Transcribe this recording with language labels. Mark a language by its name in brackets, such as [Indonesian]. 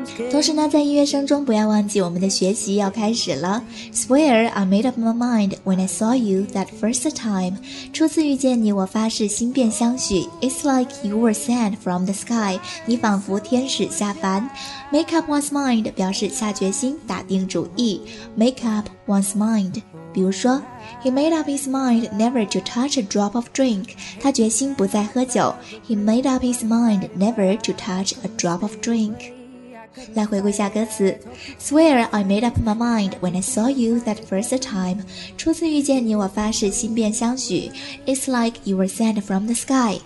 [Chinese] 同时呢在音乐声中不要忘记我们的学习要开始了 [English] Swear I made up my mind when I saw you that first time [Chinese] 初次遇见你我发誓心变相许 [English] It's like you were sent from the sky [Chinese] 你仿佛天使下凡 [English] Make up one's mind [Chinese] 表示下决心打定主意 [English] Make up one's mind 比如说He made up his mind never to touch a drop of drink. [Chinese] 他决心不再喝酒。 [English] He made up his mind never to touch a drop of drink. [Chinese] 来回顾一下歌词。 [English] Swear I made up my mind when I saw you that first time. [Chinese] 初次遇见你我发誓心变相许。 [English] It's like you were sent from the sky.